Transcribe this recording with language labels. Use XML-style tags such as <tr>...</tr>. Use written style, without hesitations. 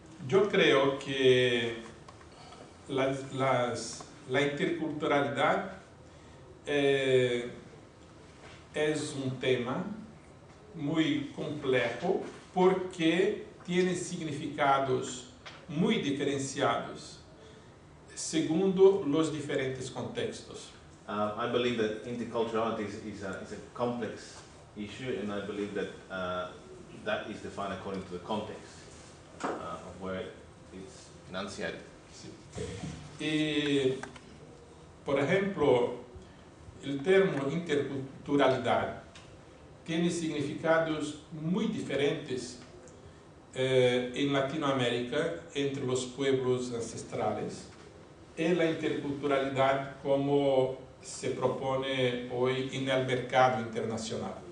<es>Yo creo que la interculturalidad es un tema muy complejo, porque tiene significados muy diferenciados según los diferentes contextos.</es> <en>I believe that interculturality is a complex issue, and I believe that that is defined according to the context of where it's enunciated.</en> <es>Sí. Y, por ejemplo, el término interculturalidad tiene significados muy diferentes en Latinoamérica entre los pueblos ancestrales y la interculturalidad como se propone hoy en el mercado internacional.</es>